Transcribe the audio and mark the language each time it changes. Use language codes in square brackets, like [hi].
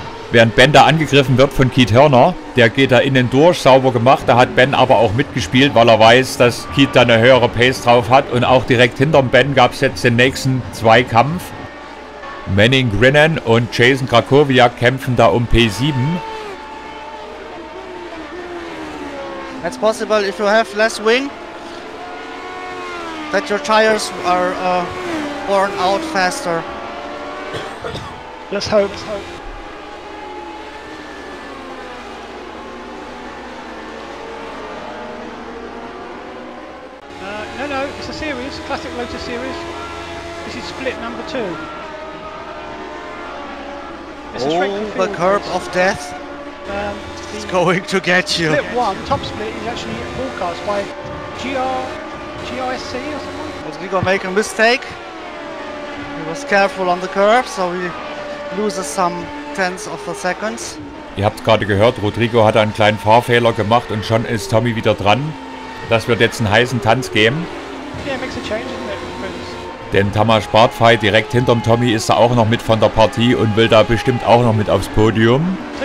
[de] Während Ben da angegriffen wird von Keith Hörner, der geht da innen durch, sauber gemacht. Da hat Ben aber auch mitgespielt, weil er weiß, dass Keith da eine höhere Pace drauf hat. Und auch direkt hinterm Ben gab es jetzt den nächsten Zweikampf. Manning Grinnen und Jason Krakowiak kämpfen da um P7. [en] It's possible if you have less wing, that your tires are worn out faster. Let's hope. No, it's a series, classic Lotus series. This is split number 2. The curb of death is going to get you. Split 1, top split, is actually forecast by GRSC or something. Rodrigo make a mistake. He was careful on the curb, so he loses some tenths of the seconds. [de] Ihr habt gerade gehört, Rodrigo hat einen kleinen Fahrfehler gemacht und schon ist Tommy wieder dran. Das wird jetzt einen heißen Tanz geben. [en] Yeah, it makes a change, isn't it? [de] Denn Tamás Bartfaj direkt hinterm Tommy ist da auch noch mit von der Partie und will da bestimmt auch noch mit aufs Podium.